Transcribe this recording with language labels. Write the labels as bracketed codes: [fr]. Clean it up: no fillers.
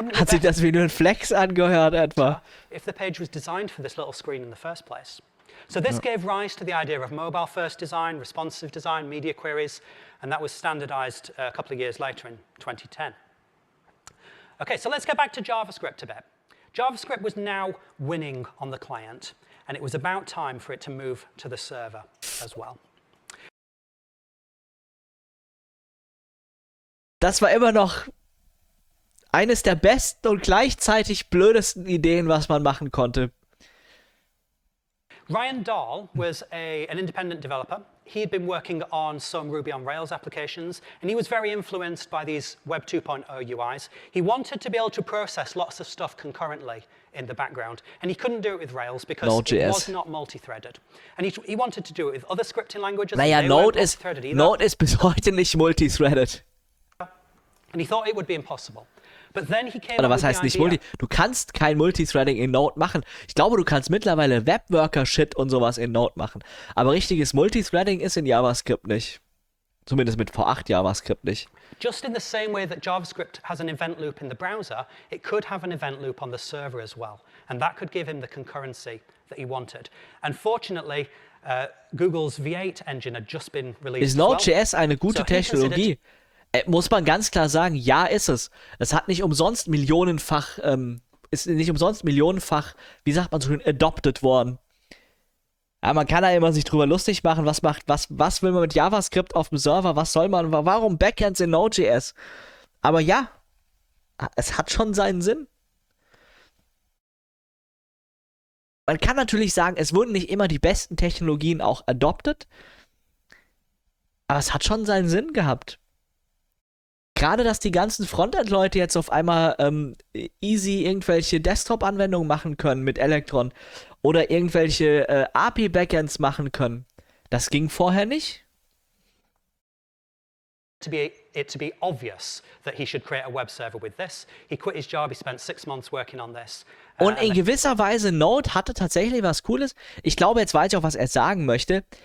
[de] Hat sich das wie nur ein Flex angehört etwa? [en] If the page was designed for this little screen in the first place. So this gave rise to the idea of mobile first design, responsive design, media queries, and that was standardized a couple of years later in 2010. Okay, so let's get back to JavaScript a bit. JavaScript was now winning on the client, and it was about time for it to move to the server as well. [de] Das war immer noch eines der besten und gleichzeitig blödesten Ideen, was man machen konnte. [en] Ryan Dahl was an independent developer. He had been working on some Ruby on Rails applications, and he was very influenced by these Web 2.0 UIs. He wanted to be able to process lots of stuff concurrently in the background, and he couldn't do it with Rails because Node.js. It was not multi-threaded. And he wanted to do it with other scripting languages. [de] Naja, Node ist bis heute nicht multi-threaded. [en] And he thought it would be impossible. But then he came [de] Oder was heißt nicht Multi? Du kannst kein Multithreading in Node machen. Ich glaube, du kannst mittlerweile Webworker-Shit und sowas in Node machen. Aber richtiges Multithreading ist in JavaScript nicht. Zumindest mit V8 JavaScript nicht. [en] Just in the same way that JavaScript has an event loop in the browser, it could have an event loop on the server as well. And that could give him the concurrency that he wanted. And fortunately, Google's V8 engine had just been released. [de] Ist Node.js eine gute Technologie? Muss man ganz klar sagen, ja, ist es. Es hat nicht umsonst millionenfach, wie sagt man so schön, adopted worden. Ja, man kann da immer sich drüber lustig machen, was will man mit JavaScript auf dem Server, was soll man, warum Backends in Node.js? Aber ja, es hat schon seinen Sinn. Man kann natürlich sagen, es wurden nicht immer die besten Technologien auch adopted, aber es hat schon seinen Sinn gehabt. Gerade, dass die ganzen Frontend-Leute jetzt auf einmal easy irgendwelche Desktop-Anwendungen machen können mit Electron oder irgendwelche API-Backends machen können, das ging vorher nicht. [en] To be obvious that he should create a web server with this. He quit his job, he spent 6 months working on this. [de] Und in gewisser Weise, Node hatte tatsächlich was Cooles. Ich glaube, jetzt weiß ich auch, was er sagen möchte.